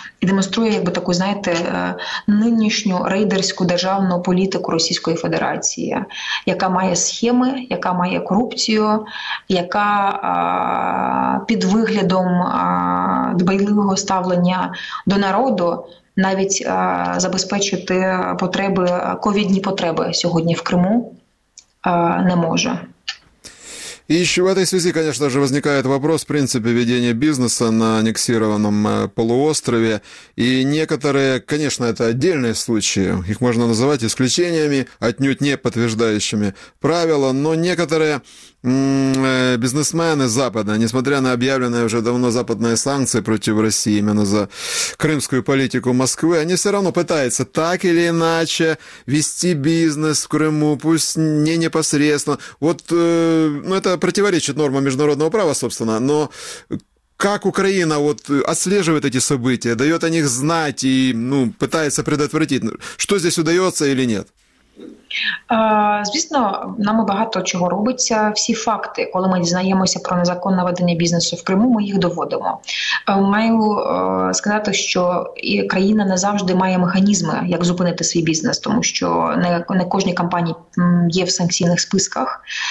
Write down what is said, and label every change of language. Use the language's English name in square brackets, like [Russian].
[Ukrainian] і демонструє, якби таку, знаєте, нинішню рейдерську державну політику Російської Федерації, яка має схеми, яка має корупцію, яка під виглядом дбайливого ставлення до народу навіть забезпечити потреби, ковідні потреби сьогодні в Криму не може. [Russian] И еще в этой связи, конечно же, возникает вопрос, в принципе, ведения бизнеса на аннексированном полуострове. И некоторые, конечно, это отдельные случаи, их можно называть исключениями, отнюдь не подтверждающими правила, но некоторые бизнесмены западные, несмотря на объявленные уже давно западные санкции против России именно за крымскую политику Москвы, они все равно пытаются так или иначе вести бизнес в Крыму, пусть не непосредственно. Вот, ну, это противоречит нормам международного права, собственно, но как Украина вот отслеживает эти события, дает о них знать и, ну, пытается предотвратить, что здесь удается или нет? [Ukrainian] Звісно, нами багато чого робиться. Всі факти, коли ми дізнаємося про незаконне ведення бізнесу в Криму, ми їх доводимо. Маю сказати, що і країна не завжди має механізми, як зупинити свій бізнес, тому що не кожні компанії є в санкційних списках.